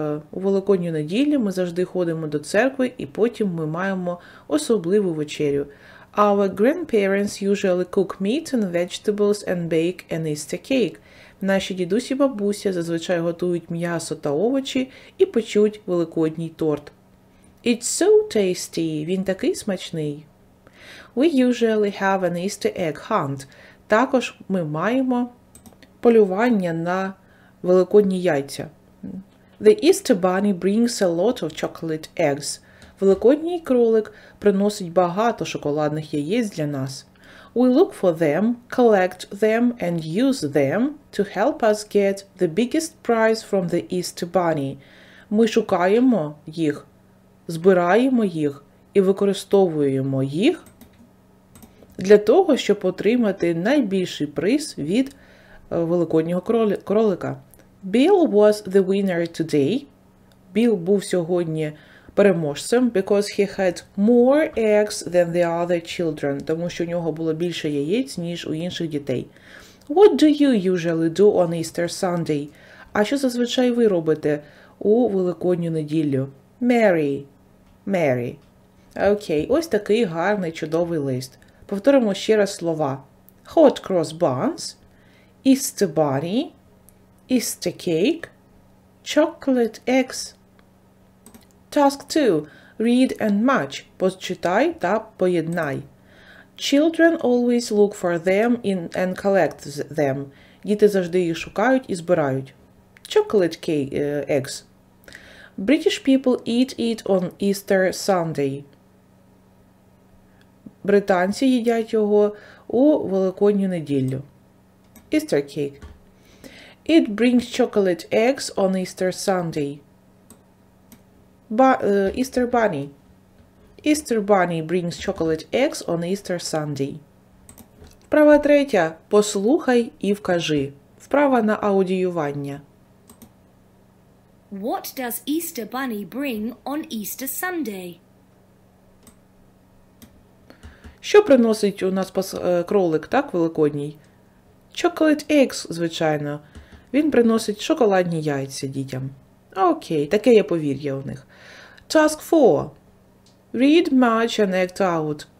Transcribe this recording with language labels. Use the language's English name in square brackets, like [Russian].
[Ukrainian] У Великодню неділю ми завжди ходимо до церкви і потім ми маємо особливу вечерю. [English] Our grandparents usually cook meat and vegetables and bake an Easter cake. [Ukrainian] Наші дідусі і бабуся зазвичай готують м'ясо та овочі і печуть Великодній торт. [English] It's so tasty. [Ukrainian] Він такий смачний. [English] We usually have an Easter egg hunt. [Ukrainian] Також ми маємо полювання на Великодні яйця. [English] The Easter bunny brings a lot of chocolate eggs. [Ukrainian] Великодній кролик приносить багато шоколадних яєць для нас. [English] We look for them, collect them and use them to help us get the biggest prize from the Easter bunny. [Ukrainian] Ми шукаємо їх, збираємо їх і використовуємо їх для того, щоб отримати найбільший приз від Великоднього кролика. Bill був сьогодні переможцем, [English] because he had more eggs than the other children, [Ukrainian] тому що у нього було більше яєць, ніж у інших дітей. [English] What do you usually do on Easter Sunday? [Ukrainian] А що зазвичай ви робите у Великодню неділю? [English] Mary. [Ukrainian] Окей, ось такий гарний, чудовий лист. Повторимо ще раз слова. [English] Hot cross buns, Easter bunny, Easter cake, chocolate eggs. Task 2. Read and match. [Ukrainian] Почитай та поєднай. [English] Children always look for them and collect them. [Ukrainian] Діти завжди їх шукають і збирають. [English] Chocolate cake, eggs. British people eat it on Easter Sunday. [Ukrainian] Британці їдять його у Великодню неділю. [English] Easter cake. It brings chocolate eggs on Easter Sunday. Easter bunny. Easter bunny brings chocolate eggs on Easter Sunday. [Ukrainian] Вправа третя. Послухай і вкажи. Вправа на аудіювання. [English] What does Easter bunny bring on Easter Sunday? [Ukrainian] Що приносить у нас кролик, так, великодній? [English] Chocolate eggs, [Ukrainian] звичайно. Він приносить шоколадні яйця дітям. Окей, таке є повір'я у них. [English] Task 4. Read, match and act out.